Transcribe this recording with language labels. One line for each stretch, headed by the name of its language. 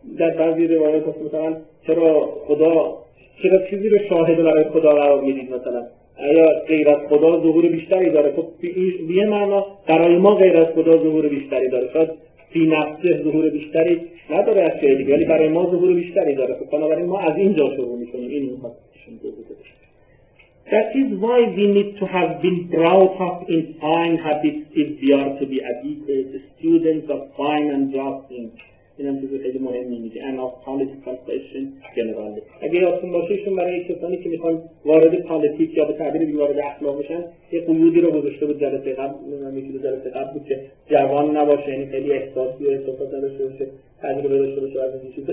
Persian: در بعضی روایات هست مثلا چرا خدا چرا چیزی رو شاهد برای خدا قرار میدید، مثلا آیا غیر از خدا ظهور بیشتری داره؟ خب به یه معنا برای ما غیر از خدا ظهور بیشتری داره، شاید فی نفسه ظهور بیشتری نداره از چه دیگه، ولی برای ما ظهور بیشتری داره. خب بنابراین ما از اینجا شروع میکنیم. این میخواستشون دوزه داره.
English: That is why we need to have been brought up in fine habits if we are to be adequate students of fine and just things.
Persian: این هم چیزی خیلی مهمی میگه.
English: And of political question generally.
Persian: اگه یادتون باشه ایشون برای کسانی که میخوان وارد پالیتیک یا به تعبیر دیگه وارد اخلاق بشن یه قیودی رو گذاشته بود جلسه قبل، نمیدونم یکی دو جلسه قبل بود، که جوان نباشه، یعنی خیلی احساسی و احساسات نداشته باشه، تجربه داشته باشه از این چیزا.